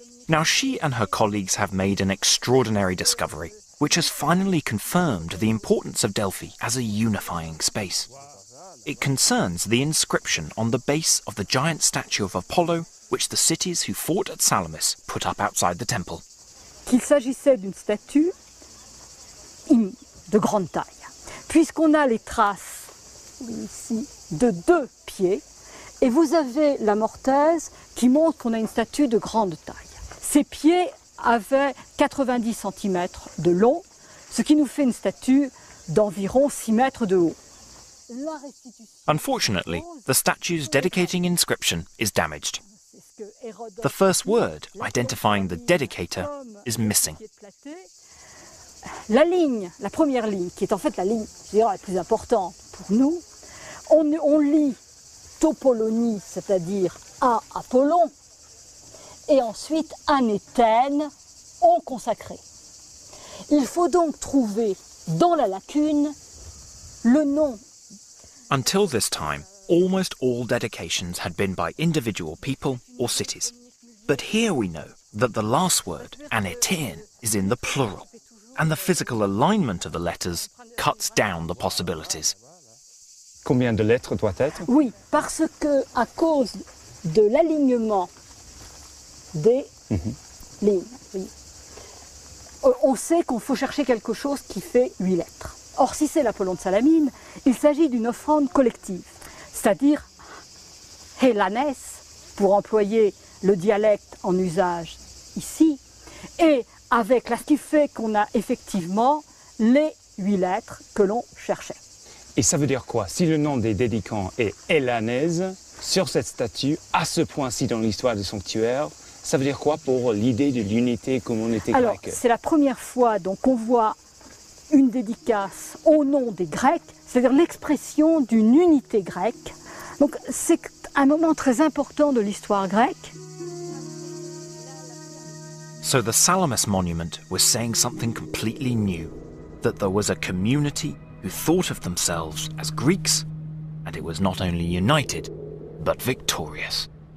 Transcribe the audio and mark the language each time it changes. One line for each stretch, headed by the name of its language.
English: Now she and her colleagues have made an extraordinary discovery, which has finally confirmed the importance of Delphi as a unifying space. It concerns the inscription on the base of the giant statue of Apollo, which the cities who fought at Salamis put up outside the temple.
French: Qu'il s'agissait d'une statue de grande taille, puisqu'on a les traces ici de 2 pieds et vous avez la mortaise qui montre qu'on a une statue de grande taille. Ces pieds avaient 90 cm de long, ce qui nous fait une statue d'environ 6 mètres de haut.
English: Unfortunately, the statue's dedicating inscription is damaged. The first word identifying the dedicator is missing.
French: La ligne, la première ligne, qui est en fait la ligne, je dirais, la plus importante pour nous, on lit topolonie, c'est-à-dire à Apollon, et ensuite un éthène au consacré. Il faut donc trouver dans la lacune le nom.
English: Until this time, almost all dedications had been by individual people or cities. But here we know that the last word, an éthène, is in the plural, and the physical alignment of the letters cuts down the possibilities.
French: Combien de lettres doit être? Oui, parce que à cause de l'alignement des lignes, on sait qu'on faut chercher quelque chose qui fait 8 lettres. Or, si c'est l'Apollon de Salamine, il s'agit d'une offrande collective, c'est-à-dire Hélanès, pour employer le dialecte en usage ici, et avec là, ce qui fait qu'on a effectivement les 8 lettres que l'on cherchait. Et ça veut dire quoi? Si le nom des dédicants est Hélanès, sur cette statue, à ce point-ci dans l'histoire du sanctuaire, ça veut dire quoi pour l'idée de l'unité communauté grecque? Alors, c'est la première fois donc qu'on voit une dédicace au nom des Grecs, c'est-à-dire l'expression d'une unité grecque. Donc, c'est un moment très important de l'histoire grecque.
English: So the Salamis monument was saying something completely new, that there was a community who thought of themselves as Greeks, and it was not only united, but victorious.